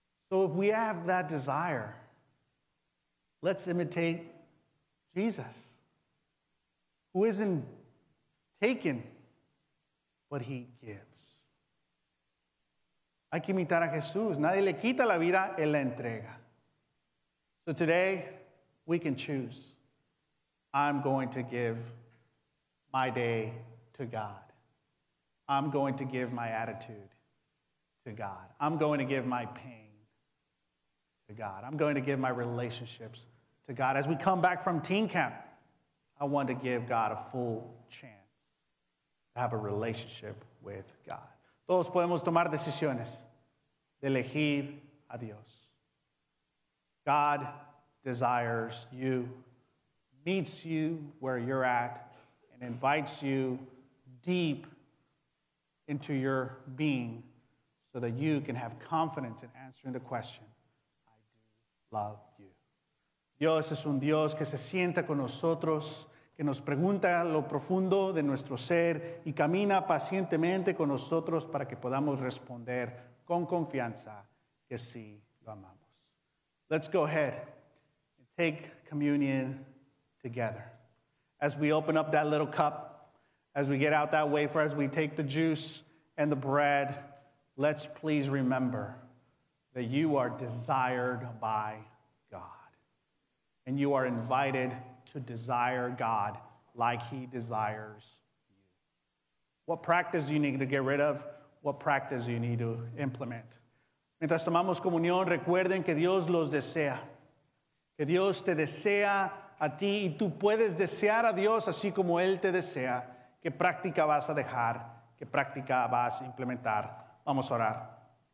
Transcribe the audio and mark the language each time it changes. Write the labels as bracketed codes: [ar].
[en] So if we have that desire, let's imitate Jesus, who isn't taken, but he gives. [es] Hay que imitar a Jesús. Nadie le quita la vida, él la entrega. [en] So today, we can choose. I'm going to give my day to God. I'm going to give my attitude to God. I'm going to give my pain to God. I'm going to give my relationships to God. As we come back from teen camp, I want to give God a full chance to have a relationship with God. [es] Todos podemos tomar decisiones de elegir a Dios. [en] God desires you, meets you where you're at, and invites you deep into your being so that you can have confidence in answering the question, I do love you. [es] Dios es un Dios que se sienta con nosotros, que nos pregunta lo profundo de nuestro ser y camina pacientemente con nosotros para que podamos responder con confianza que sí lo amamos. [en] Let's go ahead and take communion together. As we open up that little cup, as we get out that wafer, as we take the juice and the bread, let's please remember that you are desired by God and you are invited to desire God like he desires you. What practice do you need to get rid of? What practice do you need to implement? [es] Mientras tomamos comunión, recuerden que Dios los desea. Que Dios te desea a ti y tú puedes desear a Dios así como él te desea. ¿Qué práctica vas a dejar? ¿Qué práctica vas a implementar? Vamos a orar.